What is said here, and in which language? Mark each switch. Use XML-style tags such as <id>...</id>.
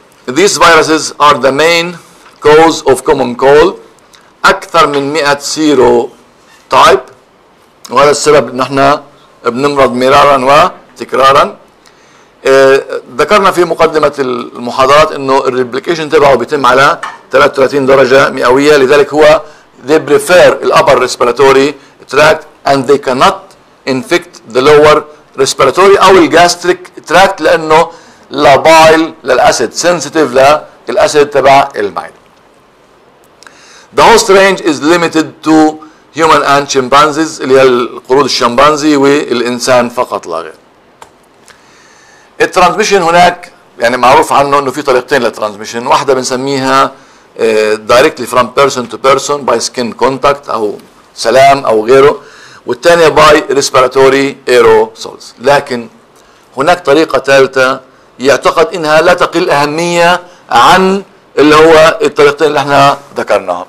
<en>These viruses are the main cause of common cold.</en> <ar>اكثر من 100 سيرو تايب، وهذا السبب ان احنا بنمرض مرارا وتكرارا. ذكرنا في مقدمة المحاضرات انه الريبليكيشن تبعه بيتم على 33 درجة مئوية، لذلك هو they prefer the upper respiratory tract and they cannot infect the lower respiratory او الجاستريك tract لانه لابايل للأسد، sensitive للأسد تبع المعدة.</ar> <en>The host range is limited to human and chimpanzees اللي هي القرود الشمبانزي والإنسان فقط لا غير.</en> <ar>الترانسميشن هناك يعني معروف عنه انه في طريقتين للترانسميشن، واحدة بنسميها directly from person to person by skin contact او سلام او غيره، والثانية by respiratory aerosols. لكن هناك طريقة ثالثة يعتقد انها لا تقل أهمية عن اللي هو الطريقتين اللي احنا ذكرناهم.</ar>